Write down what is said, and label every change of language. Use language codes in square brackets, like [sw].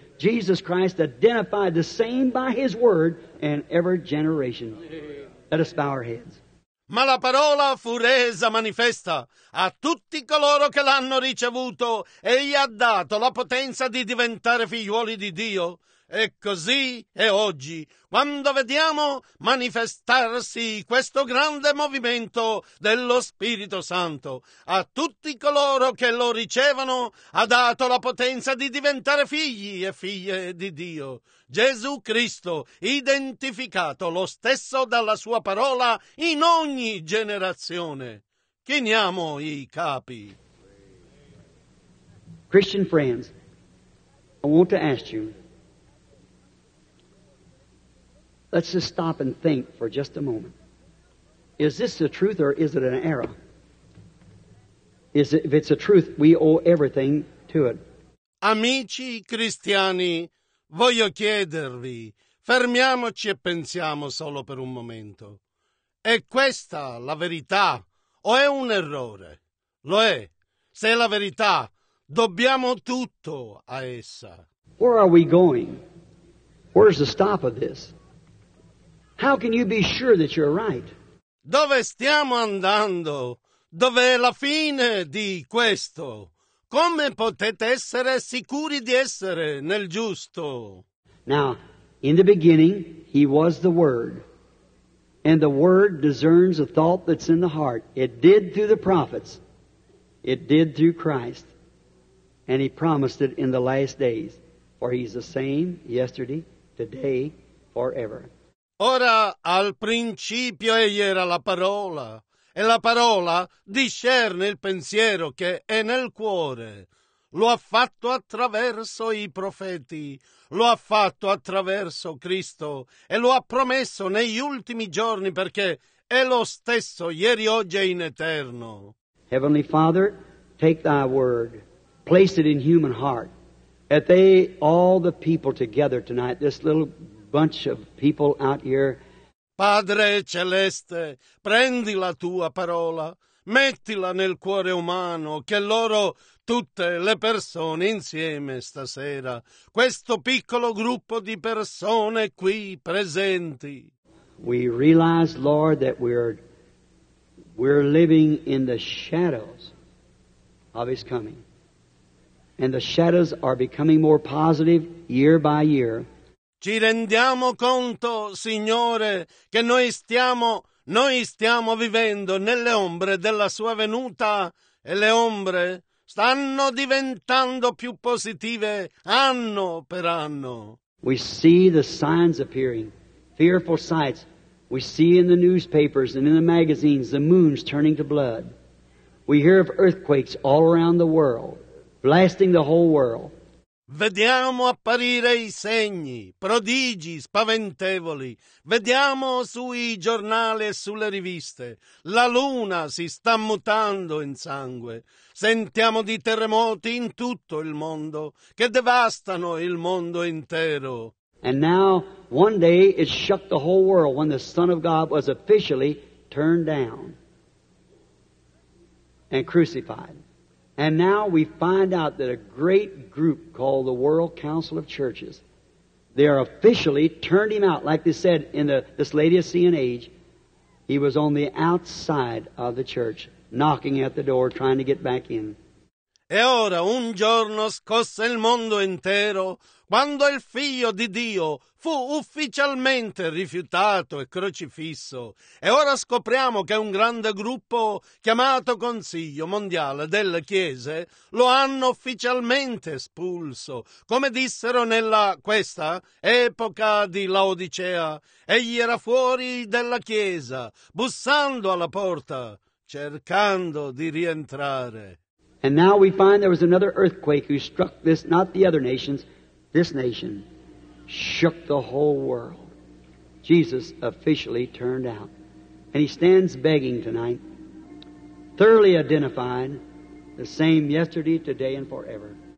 [en] Jesus Christ identified the same by His word in every generation. Let us bow our heads. [it] Ma la parola fu resa manifesta a tutti coloro che l'hanno ricevuto e gli ha dato la potenza di diventare figlioli di Dio. E così è oggi, quando vediamo manifestarsi questo grande movimento dello Spirito Santo. A tutti coloro che lo ricevono ha dato la potenza di diventare figli e figlie di Dio. Gesù Cristo, identificato lo stesso dalla sua parola in ogni generazione. Chiniamo i capi. [en] Christian friends, I want to ask you, let's just stop and think for just a moment. Is this the truth or is it an error? Is it, if it's the truth, we owe everything to it. [it] Amici cristiani, voglio chiedervi, fermiamoci e pensiamo solo per un momento. È questa la verità o è un errore? Lo è. Se è la verità, dobbiamo tutto a essa. [en] Where are we going? Where's the stop of this? How can you be sure that you're right? [it] Dove stiamo andando? Dov'è la fine di questo? Come potete essere sicuri di essere nel giusto? [en] Now, in the beginning, he was the Word. And the Word discerns the thought that's in the heart. It did through the prophets. It did through Christ. And he promised it in the last days. For he's the same yesterday, today, forever. [it] Ora, al principio egli era la parola, e la parola discerne il pensiero che è nel cuore. Lo ha fatto attraverso i profeti, lo ha fatto attraverso Cristo, e lo ha promesso negli ultimi giorni, perché è lo stesso ieri, oggi e in eterno. [en] Heavenly Father, take thy word, place it in human heart, that they, all the people together tonight, this little bunch of people out here. [it] Padre celeste, prendi la tua parola, mettila nel cuore umano, che loro, tutte le persone insieme stasera, questo piccolo gruppo di persone qui presenti. [en] We realize, Lord, that we're living in the shadows of His coming. And the shadows are becoming more positive year by year. [it] Ci rendiamo conto, Signore, che noi stiamo vivendo nelle ombre della Sua venuta, e le ombre stanno diventando più positive anno per anno. [en] We see the signs appearing, fearful sights. We see in the newspapers and in the magazines the moons turning to blood. We hear of earthquakes all around the world, blasting the whole world. [it] Vediamo apparire i segni, prodigi spaventevoli. Vediamo sui giornali e sulle riviste. La luna si sta mutando in sangue. Sentiamo di terremoti in tutto il mondo che devastano il mondo intero. [en] And now, one day, it shook the whole world when the Son of God was officially turned down and crucified. And now we find out that a great group called the World Council of Churches, they are officially turned him out. Like they said in this Laodicean age, he was on the outside of the church, knocking at the door, trying to get back in. [it] E ora un giorno scosse il mondo intero quando il Figlio di Dio fu ufficialmente rifiutato e crocifisso. E ora scopriamo che un grande gruppo chiamato Consiglio Mondiale delle Chiese lo hanno ufficialmente espulso. Come dissero nella questa epoca di Laodicea, egli era fuori della Chiesa, bussando alla porta, cercando di rientrare. [en] And now we find there was another earthquake who struck this, not the other nations, this nation, shook the whole world. Jesus officially turned out. And he stands begging tonight, thoroughly identified, the same yesterday, today, and forever.